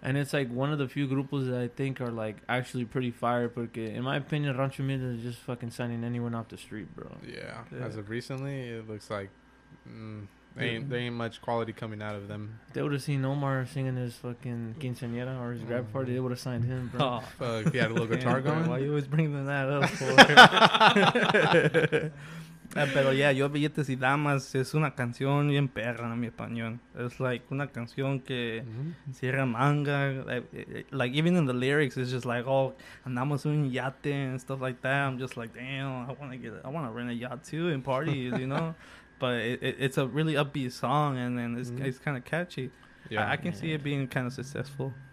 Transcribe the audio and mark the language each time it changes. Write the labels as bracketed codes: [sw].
[en] And it's like one of the few grupos that I think are like actually pretty fire porque, in my opinion, Rancho Humilde is just fucking signing anyone off the street, bro. Yeah. As of recently, it looks like... There ain't much quality coming out of them. They would have seen Omar singing his fucking quinceañera or his grab party. They would have signed him, bro. Oh, fuck. He had a little guitar going. Why are you always bringing that up for? [es] Pero yeah, Yo Billetes y Damas es una canción bien perra, en mi opinión. [en] It's like [es] una canción que cierra manga. [en] Like, even in the lyrics, it's just like, oh, [es] andamos un yate [en] and stuff like that. I'm just like, damn, I want to rent a yacht too and party, you know? But it's a really upbeat song, and then it's kind of catchy. Yeah, I can see it being kind of successful.